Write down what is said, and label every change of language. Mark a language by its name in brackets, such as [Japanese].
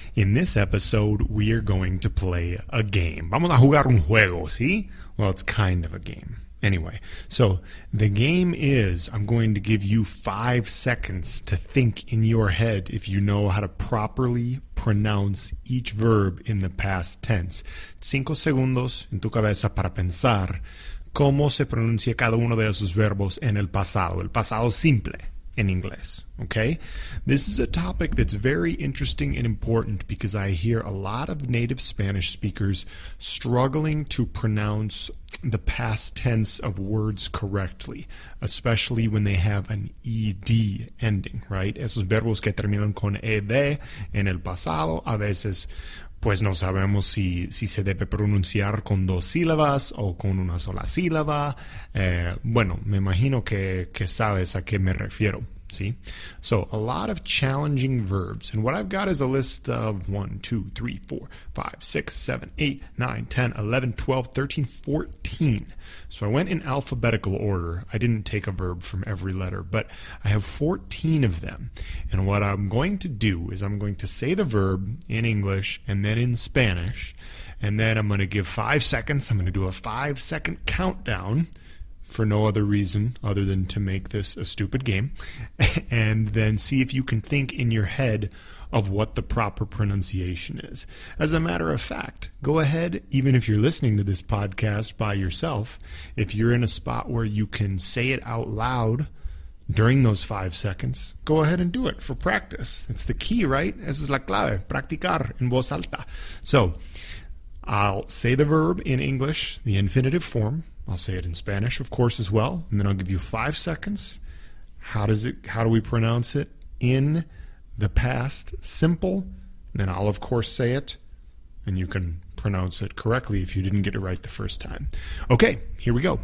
[English] In this episode, we are going to play a game. [Spanish] Vamos a jugar un juego, ¿sí? [English] Well, it's kind of a game. Anyway, so the game is I'm going to give you 5 seconds to think in your head if you know how to properly pronounce each verb in the past tense. [Spanish] 5 segundos en tu cabeza para pensar cómo se pronuncia cada uno de esos verbos en el pasado simple in English. [English] Okay? This is a topic that's very interesting and important because I hear a lot of native Spanish speakers struggling to pronounce the past tense of words correctly, especially when they have an ed ending, right? [Spanish] Esos verbos que terminan con ed en el pasado, a veces, pues no sabemos si se debe pronunciar con 2 sílabas o con 1 sola sílaba. Bueno, me imagino que sabes a qué me refiero. [English] See? So, a lot of challenging verbs. And what I've got is a list of 1, 2, 3, 4, 5, 6, 7, 8, 9, 10, 11, 12, 13, 14. So, I went in alphabetical order. I didn't take a verb from every letter, but I have 14 of them. And what I'm going to do is I'm going to say the verb in English and then in Spanish. And then I'm going to give 5 seconds. I'm going to do a 5-second countdown. For no other reason other than to make this a stupid game, and then see if you can think in your head of what the proper pronunciation is. As a matter of fact, go ahead, even if you're listening to this podcast by yourself, if you're in a spot where you can say it out loud during those 5 seconds, go ahead and do it for practice. It's the key, right? [Spanish] Esa es la clave, practicar en voz alta. [English] So, I'll say the verb in English, the infinitive form. I'll say it in Spanish, of course, as well. And then I'll give you 5 seconds. How do we pronounce it in the past simple? And then I'll, of course, say it. And you can pronounce it correctly if you didn't get it right the first time. Okay, here we go.